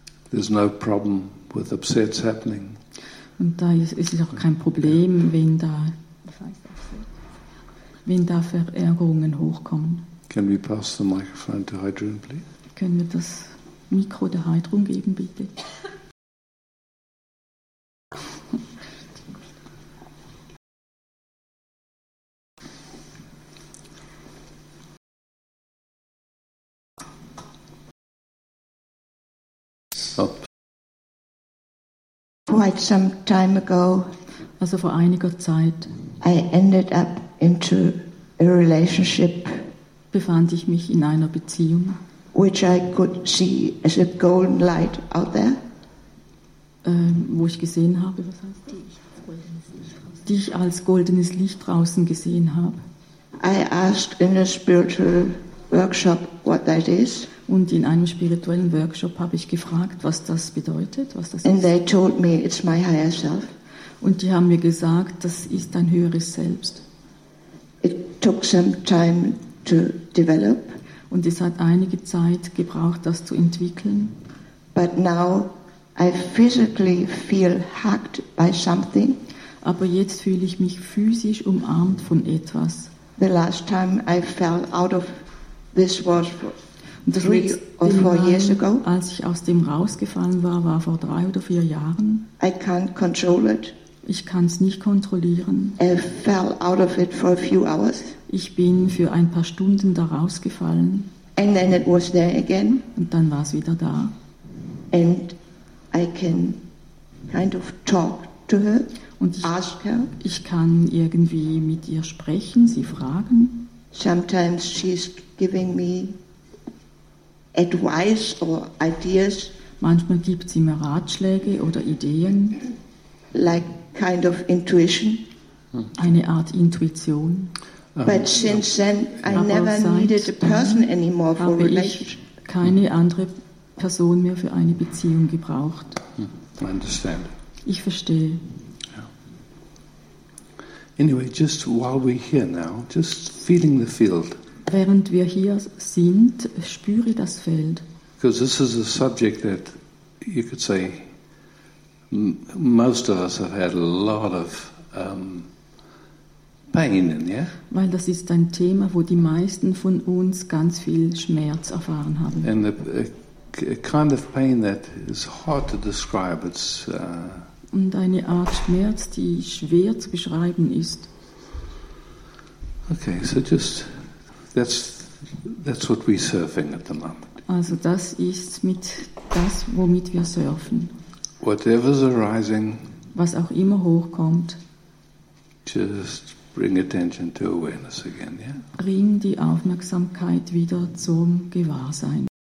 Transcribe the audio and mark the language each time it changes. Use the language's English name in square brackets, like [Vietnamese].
[English] There's no problem with upsets happening. [German] Und da ist auch kein Problem, wenn da Verärgerungen hochkommen. [English] Can we pass the microphone to Heidrun, please? [German] Können wir das Mikro der Heidrun geben, bitte? [English] Quite some time ago, [German] also vor einiger Zeit, [English] I ended up into a relationship, [German] befand ich mich in einer Beziehung, [English] which I could see as a golden light out there, [German] wo ich gesehen habe, was heißt das? Die ich als goldenes Licht draußen gesehen habe. [English] I asked in a spiritual workshop what that is. [German] Und in einem spirituellen Workshop habe ich gefragt, was das bedeutet, was das ist. [English] And they told me it's my higher self. [German] Und die haben mir gesagt, das ist ein höheres Selbst. [English] It took some time to develop. [German] Und es hat einige Zeit gebraucht, das zu entwickeln. [English] But now I physically feel hugged by something. [German] Aber jetzt fühle ich mich physisch umarmt von etwas. [English] The last time I fell out of this was for 3 or 4 years ago. [German] Als ich aus dem rausgefallen war, war vor 3 oder 4 Jahren. [English] I can't control it. [German] Ich kann es nicht kontrollieren. [English] I fell out of it for a few hours. [German] Ich bin für ein paar Stunden da rausgefallen. [English] And then it was there again. [German] Und dann war es wieder da. [English] And I can kind of talk to her. [German] Und ich kann irgendwie mit ihr sprechen, sie fragen. [English] Sometimes she's giving me advice or ideas. [German] Manchmal gibt sie mir Ratschläge oder Ideen. [English] Like kind of intuition. [German] Eine Art Intuition. [English] But since then I never needed a person anymore for a relationship. [German] Ich keine andere Person mehr für eine Beziehung gebraucht. [English] I understand. [German] Ich verstehe. [English] Anyway, just while we're here now, just feeling the field. [German] Während wir hier sind, spüre das Feld. [English] Because this is a subject that you could say most of us have had a lot of pain in, yeah? [German] Weil das ist ein Thema, wo die meisten von uns ganz viel Schmerz erfahren haben. [English] And a kind of pain that is hard to describe. It's [German] und eine Art Schmerz, die schwer zu beschreiben ist. [English] Okay, so just that's what we're surfing at the moment. [German] Also das ist mit das, womit wir surfen. [English] Whatever's arising, [German] was auch immer hochkommt, [English] just bring attention to awareness again, yeah? [German] Bring die Aufmerksamkeit wieder zum Gewahrsein.